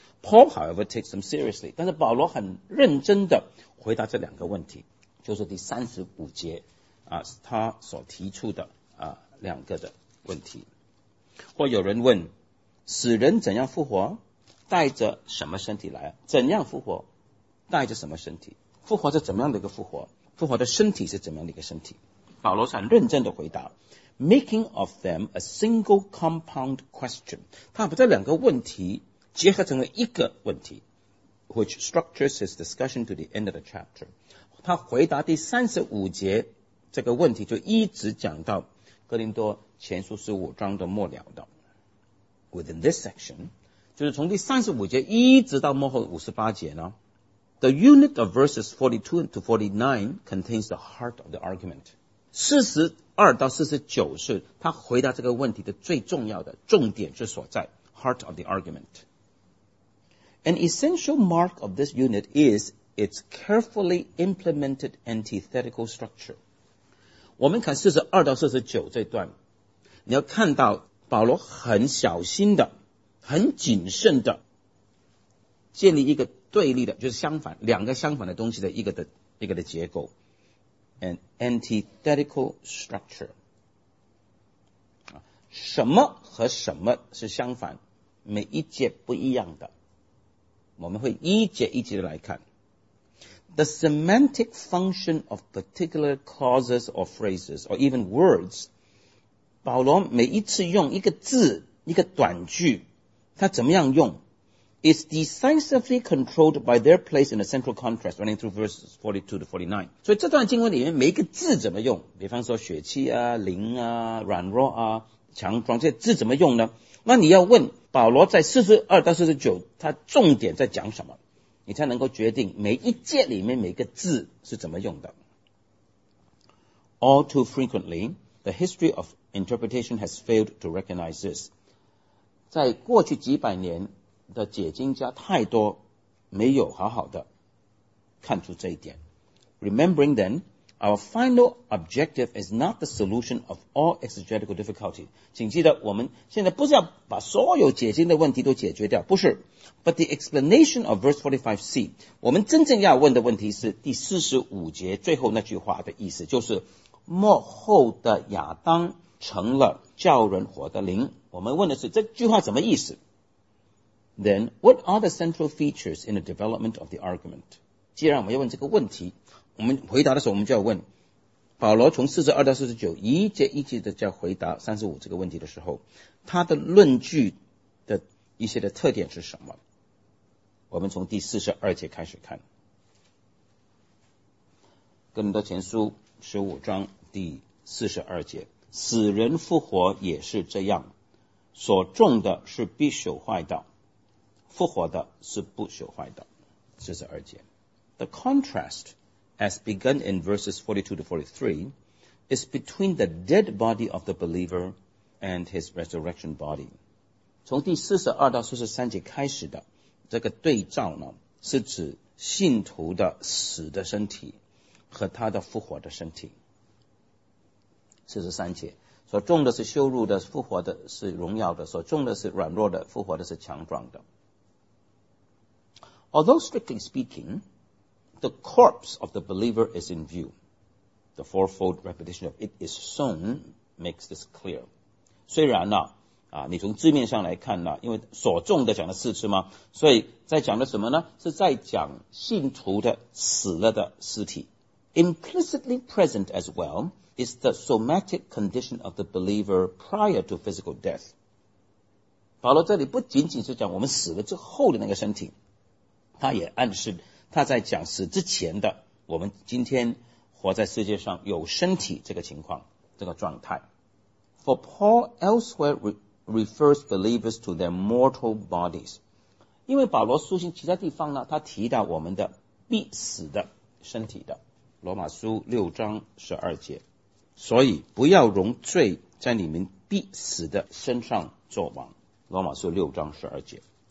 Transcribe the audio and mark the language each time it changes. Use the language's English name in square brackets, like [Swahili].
[English] Paul however takes them seriously， [Chinese] 但是保罗很认真的回答这两个问题，就是第35节啊，他所提出的啊两个的问题。或有人问，死人怎样复活，带着什么身体来，怎样复活，带着什么身体，复活是怎么样的一个复活，复活的身体是怎么样的一个身体。保罗很认真地回答 [English] making of them a single compound question， [Chinese] 他把这两个问题结合成了一个问题， [English] which structures his discussion to the end of the chapter。 [Chinese] 他回答第35节这个问题就一直讲到哥林多前书15章的末了的。 [English] within this section [Chinese] 就是从第35节一直到末后58节呢， [English] the unit of verses 42 to 49 contains the heart of the argument。 [Chinese] 42到49是他回答这个问题的最重要的重点之所在， [English] heart of the argument。 An essential mark of this unit is its carefully implemented antithetical structure。 [Chinese] 我们看42到49这段，你要看到保罗很小心的很谨慎的建立一个对立的，就是相反两个相反的东西的一个的结构， [English] an antithetical structure， [Chinese] 什么和什么是相反，每一节不一样的，我们会一节一节的来看。 [English] The semantic function of particular clauses or phrases or even words， [Chinese] 保罗每一次用一个字一个短句他怎么样用， [English] is decisively controlled by their place in the central contrast running through verses 42 to 49。 [Chinese] 所以这段经文里面每一个字怎么用，比方说血气啊灵啊软弱啊强壮这些字怎么用呢，那你要问保罗在42到49他重点在讲什么，你才能够决定每一节里面每个字是怎么用的。 [English] All too frequently the history of interpretation has failed to recognize this， [Chinese] 在过去几百年的解经家太多没有好好的看出这一点。 [English] Remembering then our final objective is not the solution of all exegetical difficulty， [Chinese] 请记得我们现在不是 [English] 要把所有解经的问题都解决掉，不是。 But the explanation of verse 45c， [Chinese] 我们真正要问的问题是第45节最后那句话的意思，就是末后的亚当成了叫人活的灵，我们问的是这句话什么意思。 [English] Then what are the central features in the development of the argument， [Chinese] 既然我们要问这个问题，我们回答的时候我们就要问保罗从42到49一节一节的在回答35这个问题的时候，他的论据一些的特点是什么？我们从第42节开始看，《哥林多前书》15章第42节，死人复活也是这样，所种的是必朽坏的，复活的是不朽坏的。 [English] 42节 The contrast as begun in verses 42 to 43 is between the dead body of the believer and his resurrection body。 [Chinese] 从第42到43节开始的这个对照呢，是指信徒的死的身体和他的复活的身体。 43节，所种的是羞辱的，复活的是荣耀的，所种的是软弱的，复活的是强壮的。 [English] Although strictly speaking the corpse of the believer is in view， the fourfold repetition of it is sown makes this clear。 [Chinese] 虽然呢你从字面上来看呢，因为所种的讲了四次嘛，所以在讲的什么呢，是在讲信徒的死了的尸体。 [English] Implicitly present as well is the somatic condition of the believer prior to physical death。 [Chinese] 保罗这里不仅仅是讲我们死了之后的那个身体，他也暗示他在讲死之前的我们今天活在世界上有身体这个情况这个状态。 [English] For Paul elsewhere refers believers to their mortal bodies， [Chinese] 因为保罗书信其他地方呢，他提到我们的必死的身体的，罗马书六章十二节，所以不要容罪在你们必死的身上作王，罗马书六章十二节，